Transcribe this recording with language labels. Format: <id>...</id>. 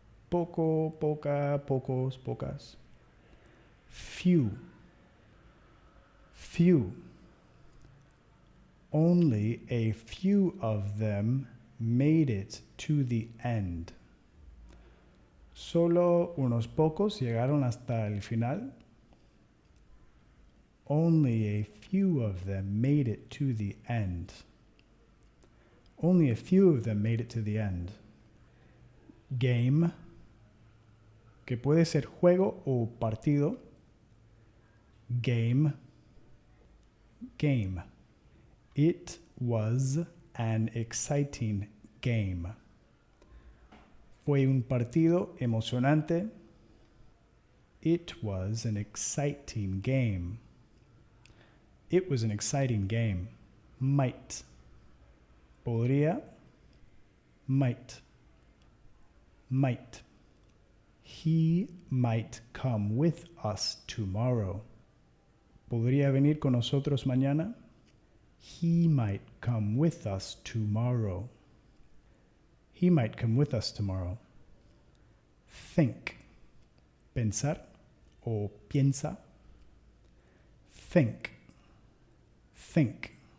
<es>Poco, poca, pocos, pocas.</es> <en>Few. Few. Only a few of them made it to the end.</en> <es>Solo unos pocos llegaron hasta el final.</es> <en>Only a few of them made it to the end. Only a few of them made it to the end. Game.</en> <es>Que puede ser juego o partido.</es> <en>Game. Game. It was an exciting game.</en> <es>Fue un partido emocionante.</es> <en>It was an exciting game. It was an exciting game. Might.</en> <es>Podría.</es> <en>Might. Might. He might come with us tomorrow.</en> <es>Podría venir con nosotros mañana.</es> <en>He might come with us tomorrow. He might come with us tomorrow. Think.</en> <es>Pensar o piensa.</es> <en>Think. Think.</en>